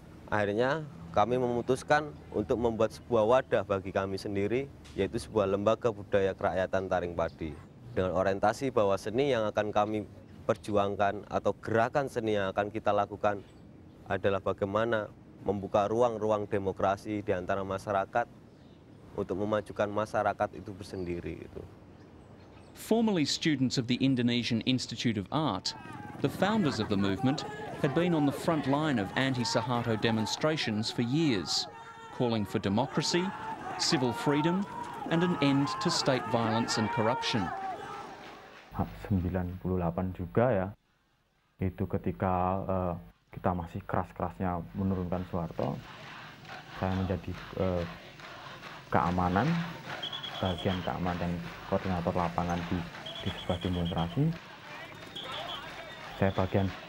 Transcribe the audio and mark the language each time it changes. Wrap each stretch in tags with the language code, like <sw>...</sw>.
<id>Akhirnya kami memutuskan untuk membuat sebuah wadah bagi kami sendiri, yaitu sebuah lembaga budaya kerakyatan Taring Padi. Dengan orientasi bahwa seni yang akan kami perjuangkan atau gerakan seni yang akan kita lakukan adalah bagaimana membuka ruang-ruang demokrasi di antara masyarakat untuk memajukan masyarakat itu bersendiri.</id> <en>Formerly students of the Indonesian Institute of Art, the founders of the movement had been on the front line of anti-Suharto demonstrations for years, calling for democracy, civil freedom, and an end to state violence and corruption.</en> <id>98 juga ya, itu ketika kita masih keras-kerasnya menurunkan Suharto, saya menjadi keamanan, bagian keamanan dan koordinator lapangan di sebuah demonstrasi. Saya bagian</id>